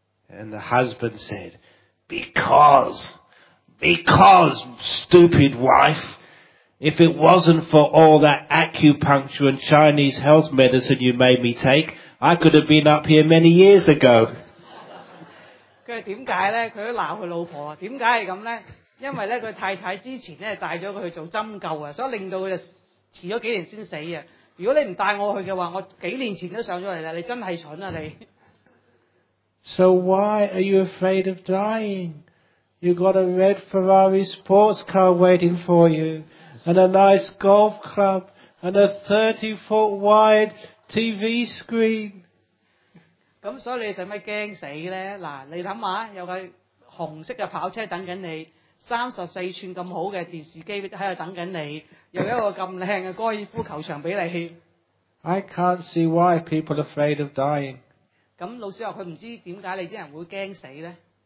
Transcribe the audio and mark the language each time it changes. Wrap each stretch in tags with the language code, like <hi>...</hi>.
<en>？And the husband said, "Because, stupid wife, if it wasn't for all that acupuncture and Chinese health medicine you made me take, I could have been up here many years ago."</en> <yue>佢係點解咧？佢都鬧佢老婆啊，點解係咁咧？因為咧，佢太太之前咧帶咗佢去做針灸啊，所以令到佢就遲咗幾年先死啊。如果你唔帶我去嘅話，我幾年前都上咗嚟啦。你真係蠢啊你</yue> <en>！So why are you afraid of dying? You got a red Ferrari sports car waiting for you, and a nice golf club, and a 30-foot wide TV screen.</en> <yue>咁所以你使乜驚死咧？嗱，你諗下，有架紅色嘅跑車等緊你。 34寸咁好嘅電視機喺度等緊你，有一個咁靚嘅高爾夫球場俾你。</yue> <en>I can't see why people are afraid of dying。</en> <yue>咁老師話佢唔知點解你啲人會驚死咧。</yue>